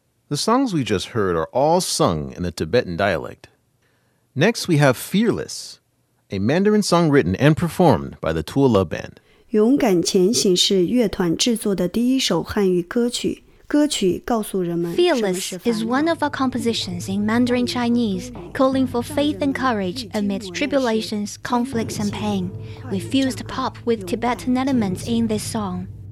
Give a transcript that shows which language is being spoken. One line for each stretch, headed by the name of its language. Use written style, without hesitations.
English: The songs we just heard are all sung in the Tibetan dialect. Next, we have Fearless, a Mandarin song written and performed by the Tuola Band.
Chinese: 勇敢前行是乐团制作的第一首汉语歌曲。歌曲告诉人们
English: Fearless is one of our compositions in Mandarin Chinese, calling for faith and courage amidst tribulations, conflicts, and pain. We fused pop with Tibetan elements in this song.